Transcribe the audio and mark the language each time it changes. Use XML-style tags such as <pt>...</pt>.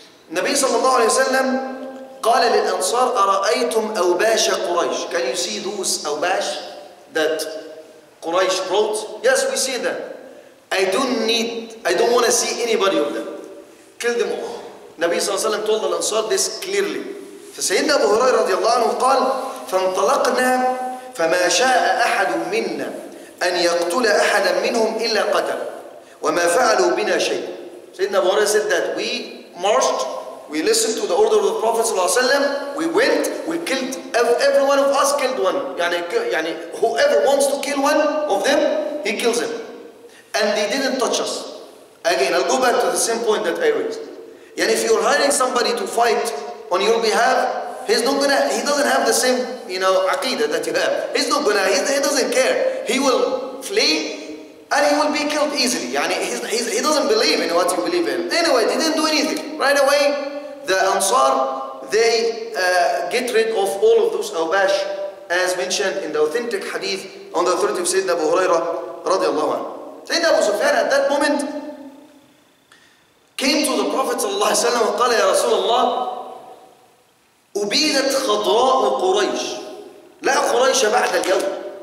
<ar>النبي صلى الله عليه وسلم قال للأنصار أرأيتم أوباش قريش.</ar> <en>Can you see those أوباش that Quraysh brought? Yes, we see them. I don't want to see anybody of them. Kill them all. Nabi sallallahu alayhi wa sallam told the Ansar this clearly.</en> <ar>فسيدنا أبو هريرة رضي الله عنه قال فانطلقنا فما شاء أحد منا أن يقتل أحدا منهم إلا قتل وما فعلوا بنا شيء.</ar> <en>سيدنا أبو هريرة said that we marched, we listened to the order of the Prophet sallallahu alayhi wa sallam, we went, we killed, every one of us killed one. يعني whoever wants to kill one of them, he kills him. And they didn't touch us. Again, I'll go back to the same point that I raised. And if you're hiring somebody to fight on your behalf, he's not gonna, he doesn't have the same, you know, aqidah that you have. He's not gonna, he doesn't care. He will flee and he will be killed easily. يعني he doesn't believe in what you believe in. Anyway, they didn't do anything. Right away, the Ansar, they get rid of all of those awbash as mentioned in the authentic hadith on the authority of Sayyidina Abu Hurairah radiallahu anhu.</en> <ar>سيدنا أبو سفيان</ar> <en>at that moment came to the Prophet</en> <ar>صلى الله عليه وسلم وقال يا رسول الله أبيدت خضراء قريش لا قريش بعد اليوم.</ar>